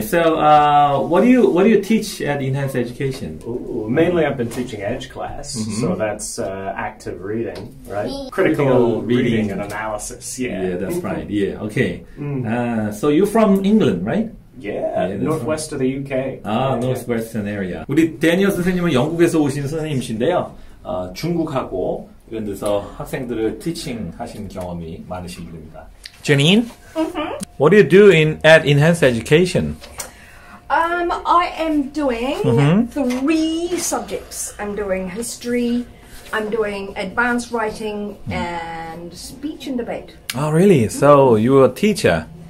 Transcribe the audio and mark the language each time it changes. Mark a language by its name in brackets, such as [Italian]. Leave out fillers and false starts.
[English] So what do you teach at Enhanced Education? Ooh, mainly I've been teaching EDGE class. Mm-hmm. So that's active reading, right? Critical reading and analysis. Yeah. Yeah, that's right. Yeah. Okay. So you're from England, right? Yeah, northwest of the UK. Northwestern area. [Korean] 우리 Daniel 선생님은 영국에서 오신 선생님이신데요. 중국하고 그래서 학생들을 teaching 하신 경험이 많으신 분입니다. [English] Janine, What do you do at Enhanced Education? I am doing three subjects. I'm doing history, I'm doing advanced writing, and speech and debate. Oh, really? So you're a teacher?